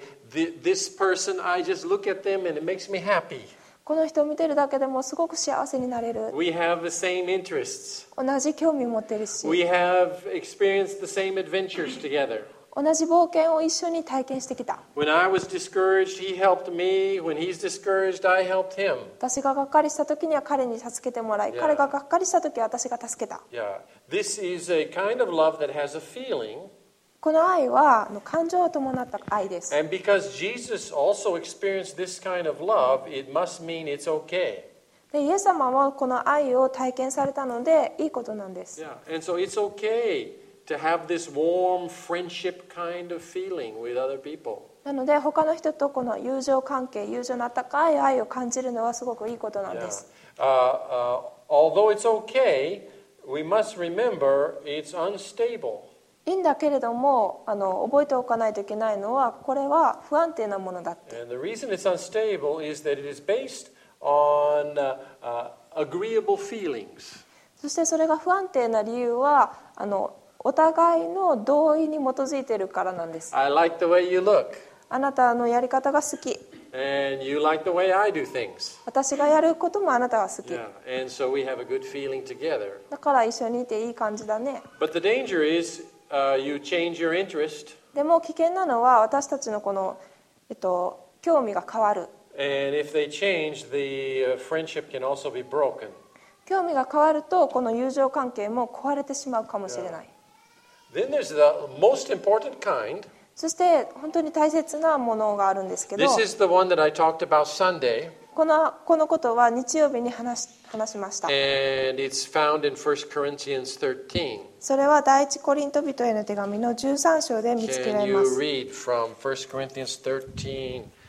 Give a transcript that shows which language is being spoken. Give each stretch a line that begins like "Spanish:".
English: This person, I just look at them and it makes me happy.
Japanese: この人を見てるだけでもすごく幸せになれる。
English: We have the same interests.
Japanese: 同じ興味を持ってるし。
English: We have experienced the same adventures together.
Japanese: 同じ冒険を一緒に体験してきた。
English: When I was discouraged, he helped me. When he's discouraged, I helped him.
Japanese: 私ががっかりした時には彼に助けてもらい、yeah. 彼ががっかりした時は私が助けた。
English: Yeah. This is a kind of love that has a feeling.
Japanese: この愛は感情を伴った愛です。
English: And because Jesus also experienced this kind of love, it must mean it's okay.
Japanese: で、イエス様はこの愛を体験されたのでいいことなんです。
English: Yeah. And so it's okay to have this warm friendship kind of feeling with other people.
Japanese: なので他の人とこの友情関係、友情の高い愛を感じるのはすごくいいことなんです。
English: Yeah. Although it's okay, we must remember it's unstable.
Japanese: いいんだけれども覚えておかないといけないのはこれは不安定なものだって。
English: And the reason it's unstable is that it is based on agreeable feelings.
Japanese: そしてそれが不安定な理由はお互いの同意に基づいているからなんです。
English: I like the way you look.
Japanese: あなたのやり方が好き。
English: And you like the way I do things.
Japanese: 私がやることもあなたが好き。
English: Yeah. And so we have a good feeling together.
Japanese: だから一緒にいていい感じだね。
English: But the danger is, you change your interest.
Japanese: でも危険なのは私たちのこの、興味が変わる。
English: And if they change, the friendship can also be broken.
Japanese: 興味が変わるとこの友情関係も壊れてしまうかもしれない。
English: Then there's the most important kind.
Japanese: そして本当に大切なものがあるんですけど。
English: This is the one that I talked about Sunday.
Japanese: このことは日曜日に話しました。
English: And it's found in 1 Corinthians 13.
Japanese: それは第一コリント人への手紙の13章で見つけられます。
English: Can you read from 1 Corinthians 13?